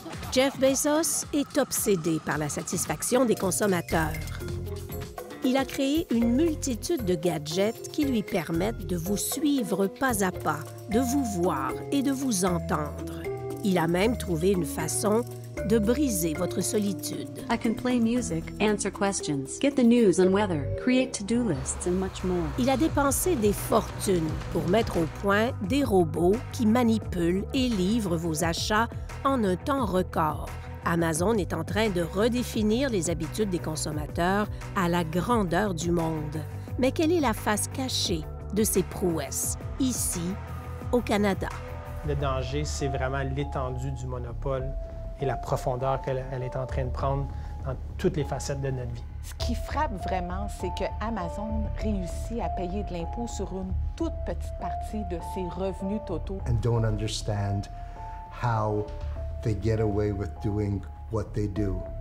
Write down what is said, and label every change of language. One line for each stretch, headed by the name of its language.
French: Jeff Bezos est obsédé par la satisfaction des consommateurs. Il a créé une multitude de gadgets qui lui permettent de vous suivre pas à pas, de vous voir et de vous entendre. Il a même trouvé une façon de briser votre solitude.
English: I can play music, answer questions, get the news and weather, create to-do lists and much more.
French: Il a dépensé des fortunes pour mettre au point des robots qui manipulent et livrent vos achats en un temps record. Amazon est en train de redéfinir les habitudes des consommateurs à la grandeur du monde. Mais quelle est la face cachée de ces prouesses ici, au Canada? Le danger, c'est vraiment l'étendue du monopole et la profondeur qu'elle est en train de prendre dans toutes les facettes de notre vie. Ce qui frappe vraiment, c'est que Amazon réussit à payer de l'impôt sur une toute petite partie de ses revenus totaux.
English: And don't understand how they get away with doing what they do.